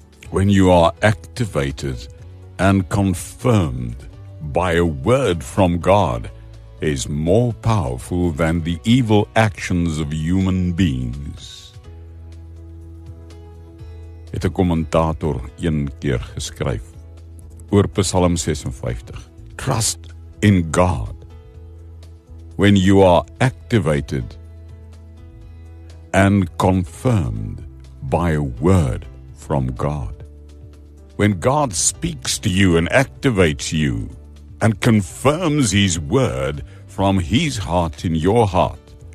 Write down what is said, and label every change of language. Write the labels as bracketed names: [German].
[English] When you are activated and confirmed by a word from God is more powerful than the evil actions of human beings. [Afrikaans] Het 'n kommentator een keer geskryf oor Psalm 56. [English] Trust in God. When you are activated and confirmed by a word from God. When God speaks to you and activates you and confirms his word from his heart in your heart.